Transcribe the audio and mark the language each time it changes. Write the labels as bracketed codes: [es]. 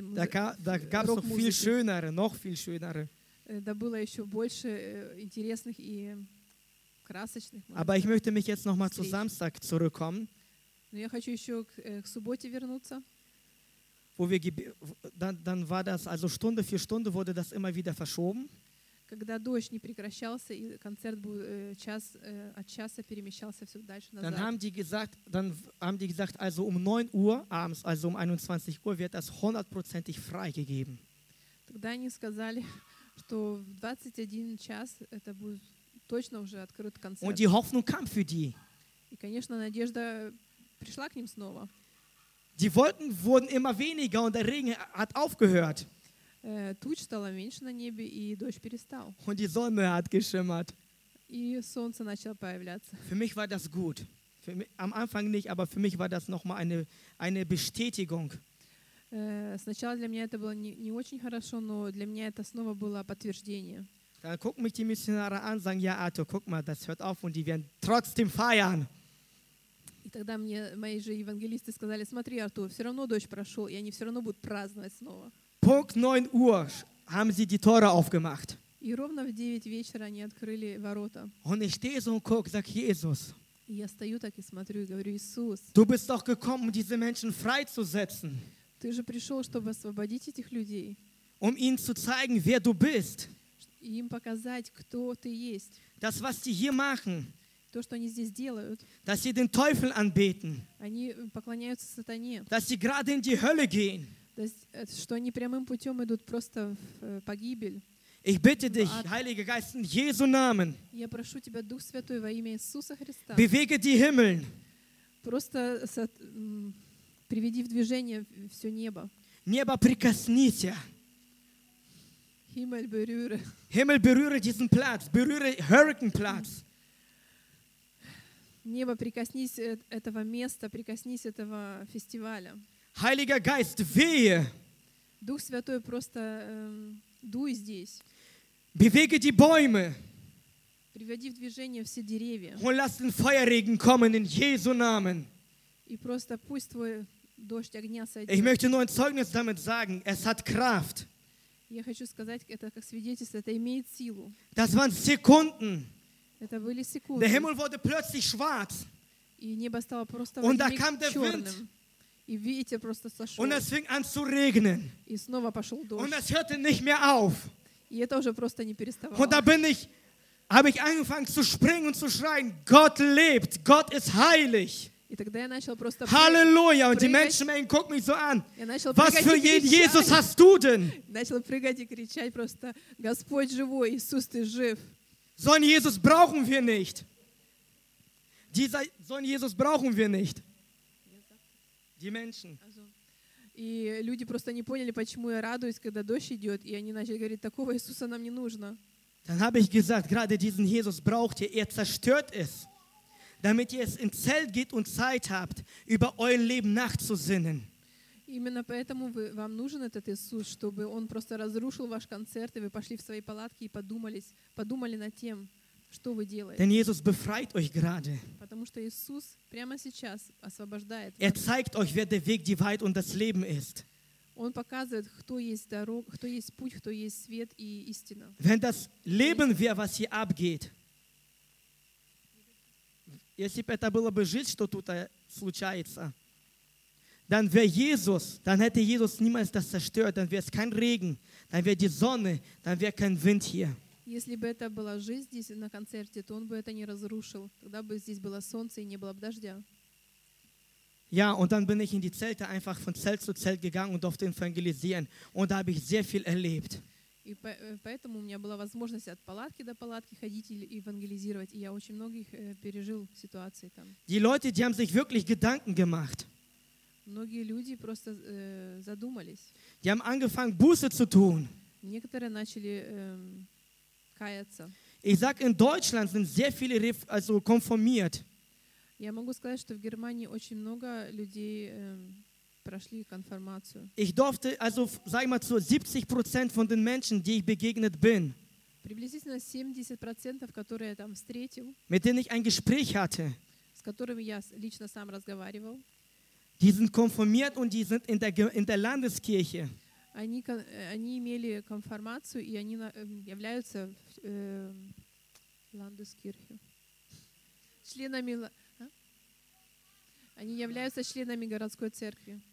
[de] Da gab es noch viel schönere. Da [ru] было еще больше интересных и красочных. [de] Aber ich möchte mich jetzt nochmal zu Samstag zurückkommen. [ru] Я хочу еще к субботе вернуться. [de] Wo wir dann war das also Stunde für Stunde wurde das immer wieder verschoben. [ru] Когда дождь не прекращался и концерт был час от часа перемещался все дальше назад. [de] Dann haben die gesagt also um 9 Uhr abends also um 21 Uhr wird das 100%ig freigegeben. [ru] Тогда они сказали, что в 21 час это будет точно уже открыт концерт. [de] Und die Hoffnung kam für die. [ru] И конечно надежда пришла к ним снова. [de] Die Wolken wurden immer weniger und der Regen hat aufgehört. [ru] Туч стало меньше на небе и дождь перестал. [de] Und die Sonne hat geschimmert. [ru] И солнце начало появляться. [de] Für mich war das gut. Für mich, am Anfang nicht, aber für mich war das nochmal eine Bestätigung. [ru] Сначала для меня это было не очень хорошо, но для меня это снова было подтверждение. [de] Dann gucken mich die Missionare an, sagen, ja, Arthur, guck mal, das hört auf und die werden trotzdem feiern. [ru] И тогда мне мои же евангелисты сказали, смотри, Артур, все равно дождь прошел, и они все равно будут праздновать снова. [de] Punkt 9 Uhr haben sie die Tore aufgemacht. [ru] И ровно в 9 вечера они открыли ворота. [de] Und ich stehe so und guck, sag Jesus. [ru] И я стою так и смотрю и говорю: Иисус. [de] Du bist doch gekommen, um diese Menschen freizusetzen. [ru] Ты же пришел, чтобы освободить этих людей. [de] Um ihnen zu zeigen, wer du bist. [ru] И им показать, кто ты есть. [de] Das, was sie hier machen. [ru] То, что они здесь делают. [de] Dass sie den Teufel anbeten. [ru] Они поклоняются сатане. [de] Dass sie gerade in die Hölle gehen. [ru] Что они прямым путем идут просто в погибель. [de] Ich bitte dich, Heiliger Geist, in Jesu Namen, [ru] я прошу тебя, Дух Святой, во имя Иисуса Христа, [de] bewege die Himmel. [ru] Просто приведи в движение все небо. Небо, прикоснись. [de] Himmel, berühre. Himmel, berühre diesen Platz. Berühre Hurricane-Platz. [ru] Небо, прикоснись этого места, прикоснись этого фестиваля. [de] Heiliger Geist, wehe. [ru] Дух Святой, просто... Дуй здесь. [de] Bewege die Bäume. [ru] Приводи в движение все деревья. [de] Und lass den Feuerregen kommen in Jesu Namen. [ru] И просто пусть твой дождь огня сойдет. [de] Ich möchte nur ein Zeugnis damit sagen. Es hat Kraft. [ru] Я хочу сказать, это как свидетельство, это имеет силу. [de] Das waren Sekunden. [ru] Это были секунды. [de] Der Himmel wurde plötzlich schwarz. [ru] И небо стало просто [de] Und da kam der Wind. [ru] И ветер просто сошел. [de] Und es fing an zu regnen. [ru] И снова пошел дождь. [de] Und es hörte nicht mehr auf. [ru] И это уже просто не переставало. [de] Und da bin ich, habe ich angefangen zu springen und zu schreien, Gott lebt, Gott ist heilig. [ru] И тогда я начал просто [de] Halleluja, und die Menschen gucken mich so an. Was für ein Jesus hast du denn? [ru] Начал прыгать и кричать просто, Господь живой, Иисус, ты жив. [de] So einen Jesus brauchen wir nicht. Dieser, so einen Jesus brauchen wir nicht. Die Menschen. [ru] И люди просто не поняли, почему я радуюсь, когда дождь идет, и они начали говорить: такого Иисуса нам не нужно. [de] Dann habe ich gesagt, gerade diesen Jesus braucht ihr. Er zerstört es, damit ihr es ins Zelt geht und Zeit habt, über euer Leben nachzusinnen. [ru] Именно поэтому вам нужен этот Иисус, чтобы он просто разрушил ваш концерт, и вы пошли в свои палатки и подумали над тем, что вы делаете. [de] Denn Jesus befreit euch gerade. [ru] Потому что Иисус прямо сейчас освобождает вас. [de] Er zeigt euch, wer der Weg, die Wahrheit und das Leben ist. [ru] Он показывает, кто есть дорога, кто есть путь, кто есть свет и истина. [de] Wenn das Leben wäre, was hier abgeht, [ru] если бы это было бы жизнь, что тут случается, [de] dann wäre Jesus, dann hätte Jesus niemals das zerstört, dann wäre es kein Regen, dann wäre die Sonne, dann wäre kein Wind hier. [ru] Если бы это была жизнь здесь на концерте, то он бы это не разрушил. Тогда бы здесь было солнце и не было бы дождя. [de] Ja, und dann bin ich in die Zelte einfach von Zelt zu Zelt gegangen und durfte evangelisieren. Und da habe ich sehr viel erlebt. [ru] И поэтому у меня была возможность от палатки до палатки ходить и евангелизировать. И я очень многих пережил ситуации там. [de] Die Leute, die haben sich wirklich Gedanken gemacht. [ru] Многие люди просто задумались. [de] Die haben angefangen, Buße zu tun. [ru] Некоторые начали... [de] Ich sage, in Deutschland sind sehr viele also konformiert. [ru] Я могу сказать, что в Германии очень много людей прошли конформацию. [de] Ich durfte also, sag ich mal, zu 70% von den Menschen, die ich begegnet bin. [ru] Приблизительно 70%, которые я там встретил. [de] Mit denen ich ein Gespräch hatte. [ru] С которыми я лично сам разговаривал. [de] Die sind konformiert und die sind in der Landeskirche. [ru] Они имели конформацию, и они являются Landeskirche. Членами, они являются членами городской церкви.